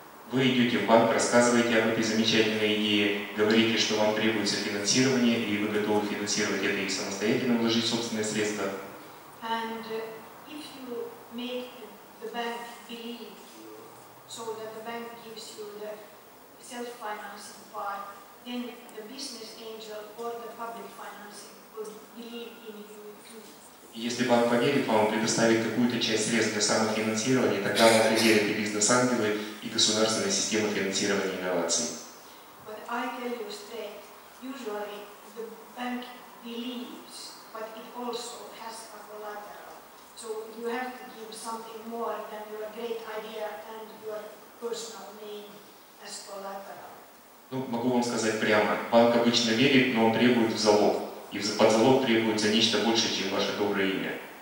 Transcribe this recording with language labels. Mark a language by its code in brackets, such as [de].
[ru] Вы идете в банк, рассказываете об этой замечательной идее, говорите, что вам требуется финансирование, и вы готовы финансировать это и самостоятельно вложить собственные средства. [en] And if you make the bank believe you, so that the bank gives you the self-financing part, then the business angel or the public financing would believe in you too. [ru] Если банк поверит вам, предоставит какую-то часть средств для самофинансирования, тогда вам поверят и бизнес-ангелы, и государственная система финансирования инноваций. [en] But I tell you straight, usually the bank believes, but it also has a collateral. So you have to give something more than your great idea and your personal name as collateral. [ru] Ну, могу вам сказать прямо, банк обычно верит, но он требует в залог. И под залог требуется нечто большее, чем ваше доброе имя.